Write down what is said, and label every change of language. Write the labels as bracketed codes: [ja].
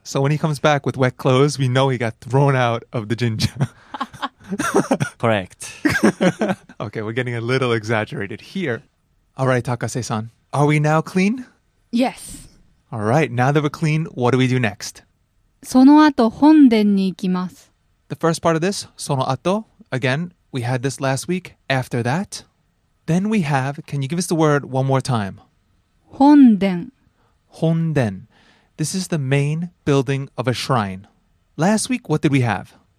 [en] So when he comes back with wet clothes, we know he got thrown out of the jinja. Correct. Okay, we're getting a little exaggerated here. All right, Takase-san, are we now clean? Yes. All right, now that we're clean, what do we do next? [ja] その後本殿に行きます. [en] The first part of this, その後, again, we had this last week, after that. Then we have, can you give us the word one more time? [ja] 本殿. 本殿. [en] This is the main building of a shrine. Last week, what did we have?